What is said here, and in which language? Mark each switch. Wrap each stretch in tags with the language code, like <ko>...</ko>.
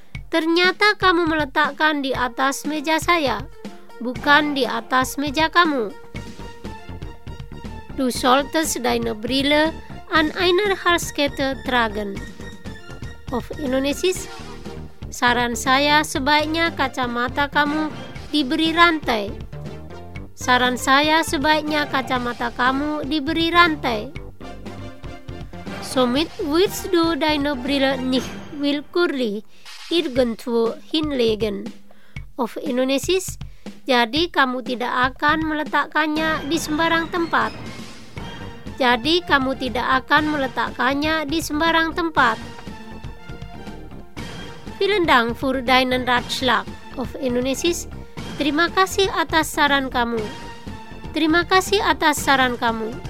<id>Ternyata kamu meletakkan di atas meja saya, bukan di atas meja kamu.</id> <de>Du solltest deine Brille an einer Halskette tragen.</de> <id>Of Indonesisch, Saran saya sebaiknya kacamata kamu diberi rantai. Saran saya sebaiknya kacamata kamu diberi rantai.</id> <de>Somit willst du deine Brille nicht willkürlich irgendwo hinlegen. Auf Indonesisch,</de> <id>jadi kamu tidak akan meletakkannya di sembarang tempat. Jadi kamu tidak akan meletakkannya di sembarang tempat.</id> <de>Vielen Dank für deinen Ratschlag. Auf Indonesisch,</de> <id>terima kasih atas saran kamu. Terima kasih atas saran kamu.</id>